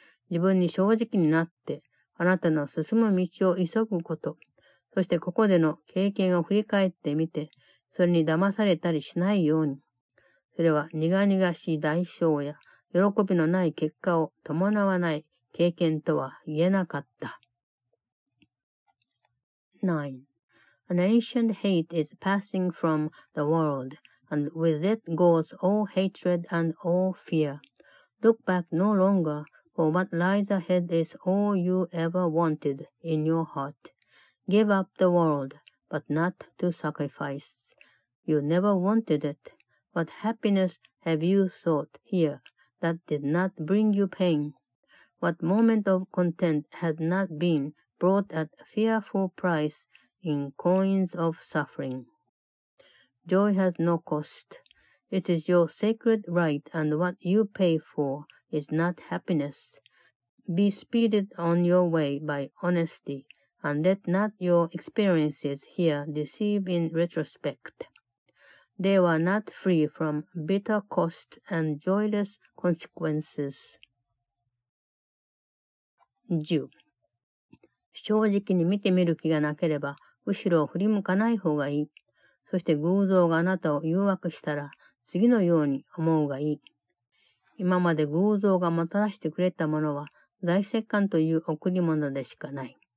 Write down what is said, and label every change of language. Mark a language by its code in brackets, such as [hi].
[ja] 自分に正直になって、あなたの進む道を急ぐこと、そしてここでの経験を振り返ってみて、それに騙されたりしないように。それは苦々しい代償や喜びのない結果を伴わない経験とは言えなかった。 9. [en] An ancient hate is passing from the world, and with it goes all hatred and all fear. Look back no longer. For what lies ahead is all you ever wanted in your heart. Give up the world, but not to sacrifice. You never wanted it. What happiness have you sought here that did not bring you pain? What moment of content had not been bought at fearful price in coins of suffering? Joy has no cost. It is your sacred right, and what you pay for. Is not happiness. Be speeded on your way by honesty, and let not your experiences here deceive in retrospect. They were not free from bitter cost and joyless consequences. 10. [ja] 正直に見てみる気がなければ、後ろを振り向かない方がいい。そして偶像があなたを誘惑したら、次のように思うがいい。今まで偶像がもたらしてくれたものは大石棺という贈り物でしかない。